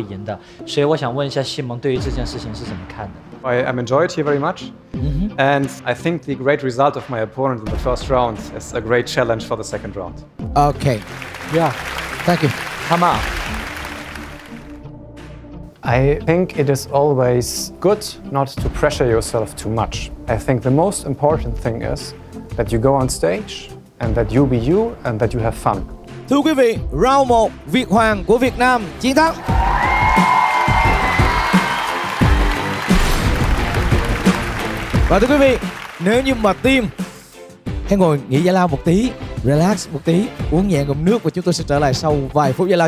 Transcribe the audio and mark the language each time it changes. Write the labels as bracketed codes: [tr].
[zh] 其实我想问一下西蒙，对于接下来的比赛，你有什么样的看法？因为以我的经验，如果接着再往下比，只要越南的选手他不出错的话，大概率肯定还是他会赢的。所以我想问一下西蒙，对于这件事情是怎么看的？ [en] I am enjoyed here very much, and I think the great result of my opponent in the first round is a great challenge for the second round. Okay, yeah, thank you. Come on. I think it is always good not to pressure yourself too much. I think the most important thing is that you go on stage and that you be you and that you have fun. [vi] Thưa quý vị, round 1, Việt Hoàng của Việt Nam chiến thắng. Và thưa quý vị, nếu như mà team hãy ngồi nghỉ giải lao một tí, relax một tí, uống nhẹ ngụm nước và chúng tôi sẽ trở lại sau vài phút giải lao.